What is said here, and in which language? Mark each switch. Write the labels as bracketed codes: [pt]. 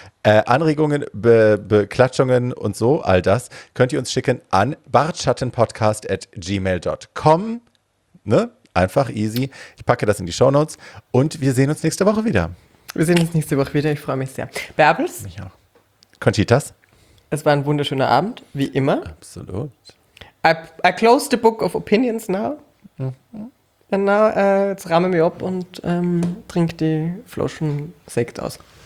[de] Anregungen, Beklatschungen und so, all das könnt ihr uns schicken an bartschattenpodcast@gmail.com. Ne? Einfach, easy. Ich packe das in die Shownotes und wir sehen uns nächste Woche wieder. Wir sehen uns nächste Woche wieder. Ich freue mich sehr. Bärbels? Mich auch. Conchitas? Es war ein wunderschöner Abend, wie immer. Absolut. [en] I close the book of opinions now. [de] Genau, jetzt rahme mich ab und trink die Flaschen Sekt aus.